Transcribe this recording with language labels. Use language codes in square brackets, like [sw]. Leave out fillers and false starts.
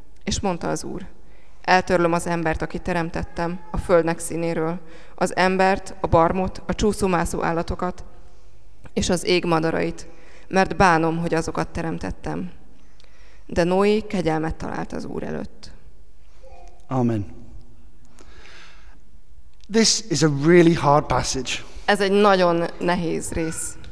[hu] És mondta az Úr, eltörlöm az embert, akit teremtettem, a földnek színéről, az embert, a barmot, a csúszómászó állatokat, és az ég madarait, mert bánom, hogy azokat teremtettem. De Noé kegyelmet talált az Úr előtt. Amen. [en] This is a really hard passage. [hu] Ez egy nagyon nehéz rész.